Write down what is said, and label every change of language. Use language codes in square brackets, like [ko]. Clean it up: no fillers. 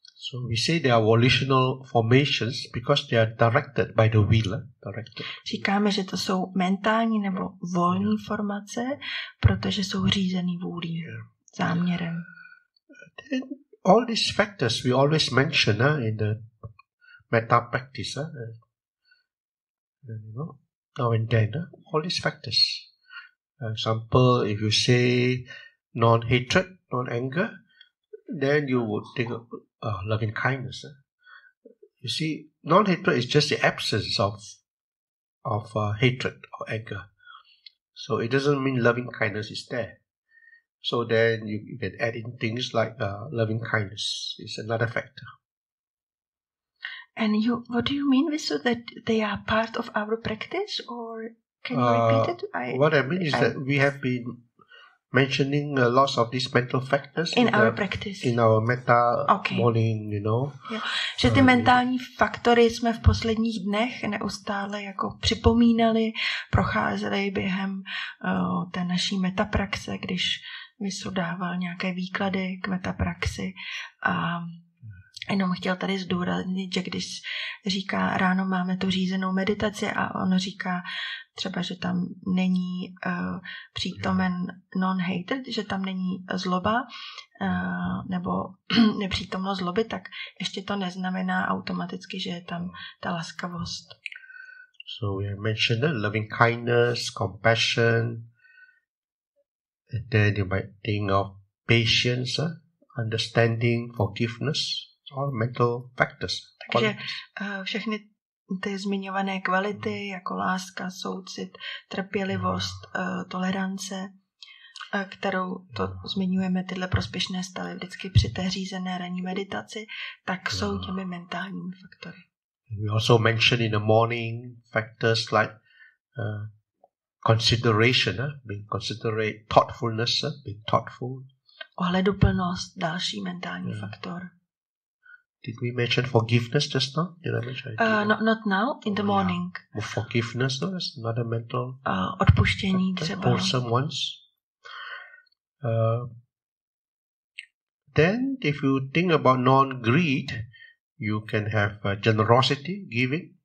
[en] So we say they are volitional formations because they are directed by the will. Directed. [cs] Říkáme, že to jsou mentální nebo volní formace, protože jsou řízeny vůlí, záměrem. [en] Then all these factors we always mention in the metta practice. Now and then, all these factors. For example, if you say non-hatred, non-anger, then you would think of loving kindness. You see, non-hatred is just the absence of hatred or anger. So it doesn't mean loving kindness is there. So then you can add in things like loving kindness. It's another factor. And you, what do you mean with so that they are part of our practice, or can you repeat it? What I mean is that we have been mentioning lots of these mental factors in our metta morning, you know. Yeah. [cs] Že ty mentální faktory jsme v posledních dnech neustále jako připomínali, procházeli během té naší metta praxe, když Vysu dával nějaké výklady k metta praxi. A jenom chtěl tady zdůraznit, že když říká ráno máme tu řízenou meditaci a on říká třeba, že tam není přítomen non-hatred, že tam není zloba nebo nepřítomnost zloby, tak ještě to neznamená automaticky, že je tam ta laskavost. [en] So we mentioned that loving kindness, compassion, and then you might think of patience, understanding, forgiveness. All mental factors. [cs] Takže všechny ty zmiňované kvality, jako láska, soucit, trpělivost, tolerance, kterou to zmiňujeme, tyhle prospěšné stavy vždycky při té řízené ranní meditaci, tak jsou těmi mentálními faktory. [en] We also mention in the morning factors like consideration, being considerate, thoughtfulness, being thoughtful. [cs] Ohleduplnost, další mentální faktor. [en] Did we mention forgiveness just now? Did I mention it? Not now, in the morning. Yeah. Forgiveness, though, is another mental... [cs] Odpuštění třeba. [en] Wholesome ones. Then, if you think about non-greed, you can have generosity, giving.